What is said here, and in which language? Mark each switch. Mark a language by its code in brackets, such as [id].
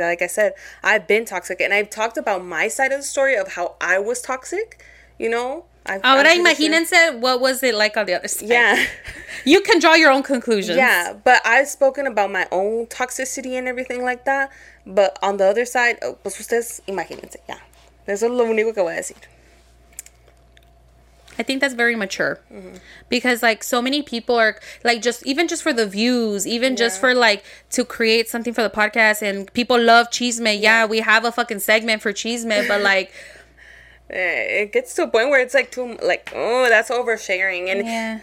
[en] Like I said, I've been toxic, and I've talked about my side of the story of how I was toxic, you know. What was it like on the other side? Yeah. You can draw your own conclusions. Yeah, but I've spoken about my own toxicity and everything like that, but on the other side, [es] pues ustedes imagínense. Yeah, eso es lo único que voy a decir. [en] I think that's very mature. Mm-hmm. Because, like, so many people are, like, just, even just for the views, even yeah. just for, like, to create something for the podcast, and people love chisme. Yeah, yeah, we have a fucking segment for chisme, but, like... It gets to a point where it's, like, too, like, oh, that's oversharing. And yeah.